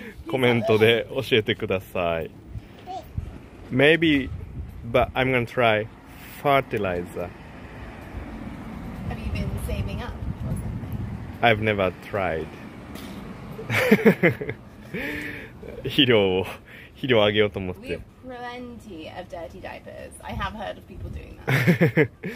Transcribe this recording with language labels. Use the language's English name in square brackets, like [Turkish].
[Japanese] コメントで教えてください。 [English] Maybe, but I'm gonna try fertilizer. Have you been saving up or something? I've never tried. [Japanese] 肥料をあげようと思って。 [English] We have plenty of dirty diapers. I have heard of people doing that.